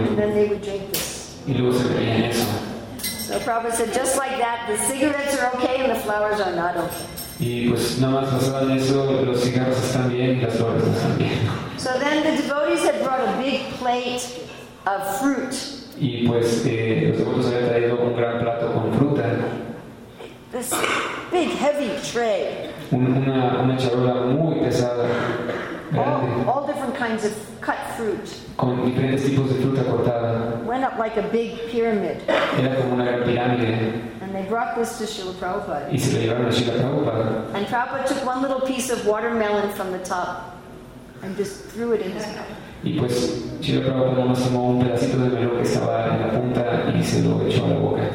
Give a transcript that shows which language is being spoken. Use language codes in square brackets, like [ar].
[en] And then they would drink this. [es] Y luego se bebían eso. [en] So Prabhupada said, just like that, the cigarettes are okay and the flowers are not okay. [es] Y pues nada más pasaba en eso, los cigarros están bien y las flores no están bien. [en] So then the devotees had brought a big plate of fruit. [es] Y pues los devotos habían traído un gran plato con fruta. [en] this big heavy tray. [es] Una charola muy pesada. [en] All different kinds of cut fruit. [es] Con diferentes tipos de fruta cortada. [en] Went up like a big pyramid. [es] Era como una gran pirámide. [en] And they brought this to Srila Prabhupada. [es] Y se lo llevaron a Srila Prabhupada. [en] And Prabhupada took one little piece of watermelon from the top and just threw it in his mouth. [es] Y pues Srila Prabhupada nomás tomó un pedacito de melón que estaba en la punta y se lo echó a la boca.